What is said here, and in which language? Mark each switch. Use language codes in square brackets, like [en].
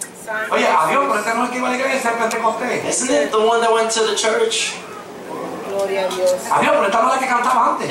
[es] Oye, adiós, pero este no es que iba a llegar y ser pentecostés. [en] Isn't it the one that went to the church? [es] Adiós, pero esta no es la que cantaba antes.